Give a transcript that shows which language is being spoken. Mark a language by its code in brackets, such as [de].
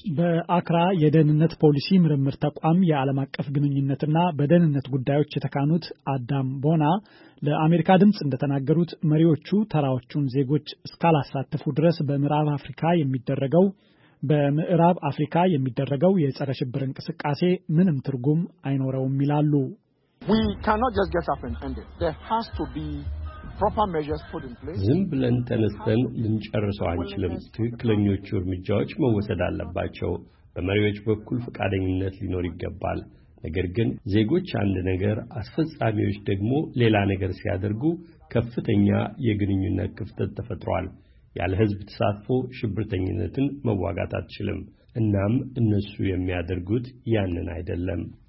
[am] በአክራ የደህንነት ፖሊሲ ምርምር ተቋም የዓለም አቀፍ ግንኙነትና በደህንነት ጉዳዮች የተካኑት አዳም ቦና ለአሜሪካ ድምጽ እንደተናገሩት መሪዎቹ ተራዎቹን ዜጎች እስካላሳተፉ ድረስ በምዕራብ አፍሪካ የሚደረገው የጸረ ሽብር እንቅስቃሴ ምንም ትርጉም አይኖረውም ይላሉ። [en] We cannot just get up and end it. There has to be proper measures put in place. [am] ዝም ብለን ተነስተን ልንጨርሰው አንችልም። ትክክለኞቹ እርምጃዎች መወሰድ አለባቸው። በመሪዎች በኩል ፈቃደኝነት ሊኖር ይገባል። ነገር ግን ዜጎች አንድ ነገር አስፈጻሚዎች ደግሞ ሌላ ነገር ሲያደርጉ ከፍተኛ የግንኙነት ክፍተት ተፈጥሯል። ያለ ህዝብ ተሳትፎ ሽብርተኝነትን መዋጋት አትችልም። እናም እነሱ የሚያደርጉት ያንን አይደለም።